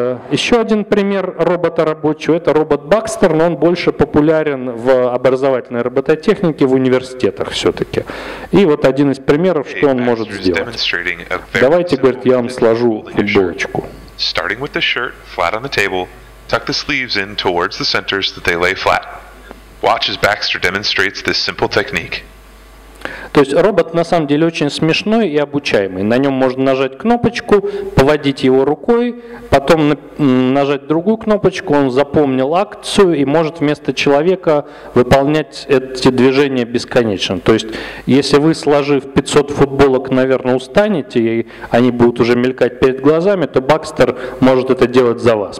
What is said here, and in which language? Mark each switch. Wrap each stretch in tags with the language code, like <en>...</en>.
<ru>Еще один пример робота рабочего – это робот Бакстер, но он больше популярен в образовательной робототехнике, в университетах все-таки. И вот один из примеров, что он может сделать. Давайте, говорит, я вам сложу футболочку.</ru> <en>Starting with the shirt flat on the table, tuck the sleeves in towards the center so that they lay flat. Watch as Baxter demonstrates this simple technique.</en> <ru>То есть робот на самом деле очень смешной и обучаемый. На нем можно нажать кнопочку, поводить его рукой, потом нажать другую кнопочку, он запомнил акцию и может вместо человека выполнять эти движения бесконечно. То есть если вы, сложив 500 футболок, наверное, устанете, и они будут уже мелькать перед глазами, то Бакстер может это делать за вас.</ru>